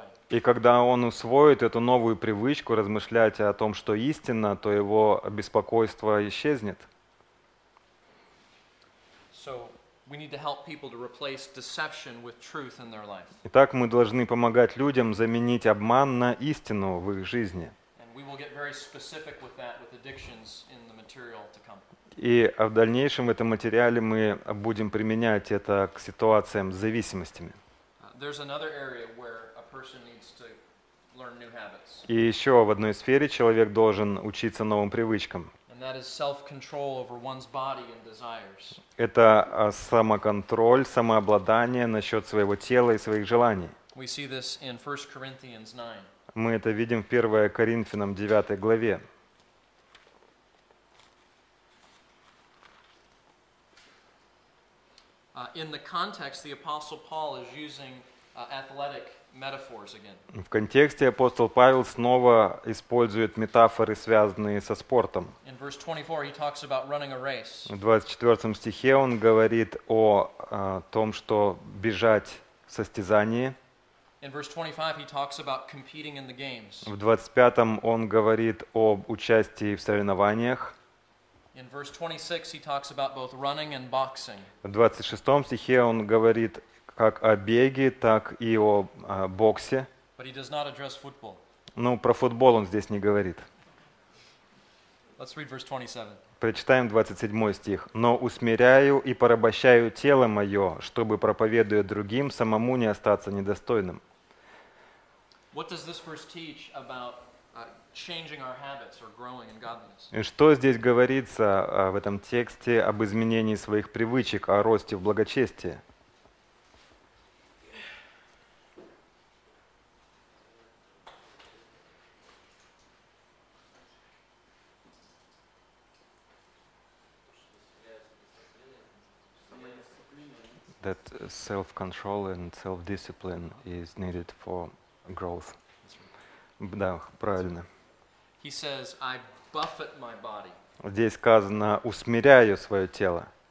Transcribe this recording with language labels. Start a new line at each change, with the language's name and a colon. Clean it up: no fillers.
Russian: И когда он усвоит эту новую привычку размышлять о том, что истинно, то его беспокойство исчезнет.
English: We need to help people to replace deception with truth in their life.
Russian: Итак, мы должны помогать людям заменить обман на истину в их жизни.
English: And we will get very specific with that with addictions in the material to come.
Russian: И в дальнейшем в этом материале мы будем применять это к ситуациям с зависимостями.
English: There's another area where a person needs to learn new habits.
Russian: И еще в одной сфере человек должен учиться новым привычкам.
English: And that is self-control over one's body and desires.
Russian: Это самоконтроль, самообладание насчет своего тела и своих желаний.
English: We see this in 1 Corinthians 9.
Russian: Мы это видим в 1 Коринфянам 9 главе.
English: In the context, the Apostle Paul is using athletic metaphors again.
Russian: В контексте апостол Павел снова использует метафоры, связанные со спортом.
English: In verse 24 he talks about running a race.
Russian: В 24 стихе он говорит о том, что бежать в состязании.
English: In verse 25 he talks about competing in the games.
Russian: В 25 он говорит об участии в соревнованиях.
English: In verse 26 he talks about both running and boxing.
Russian: В 26 стихе он говорит как о беге, так и о боксе.
English: But he does not address football.
Russian: Ну, про футбол он здесь не говорит.
English: Let's read verse 27.
Russian: Прочитаем 27 стих. «Но усмиряю и порабощаю тело мое, чтобы, проповедуя другим, самому не остаться недостойным».
English: What does this verse teach about changing our habits or growing in godliness?
Russian: Что здесь говорится в этом тексте об изменении своих привычек, о росте в благочестии?
English: That self-control and self-discipline is needed for growth.
Russian: Да, правильно.
English: He says, I buffet my body.
Russian: Здесь сказано, усмиряю свое тело.